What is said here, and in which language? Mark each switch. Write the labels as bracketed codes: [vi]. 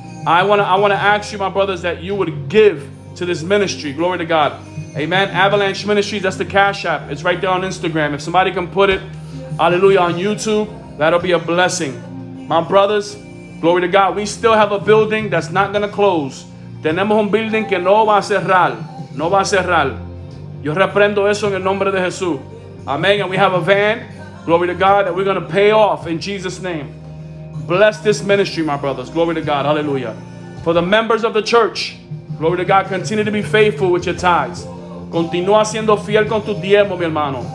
[en] I want to ask you, my brothers, that you would give to this ministry. Glory to God. Amen. Avalanche Ministries. That's the Cash App. It's right there on Instagram. If somebody can put it, hallelujah, on YouTube, that'll be a blessing. My brothers, glory to God. We still have a building that's not going to close. [es] Tenemos un building que no va a cerrar. No va a cerrar. Yo reprendo eso en el nombre de Jesús. [en] Amen. And we have a van, glory to God, that we're going to pay off in Jesus' name. Bless this ministry, my brothers. Glory to God. Hallelujah. For the members of the church, glory to God. Continue to be faithful with your tithes. [es] Continúa siendo fiel con tu diezmo, mi hermano.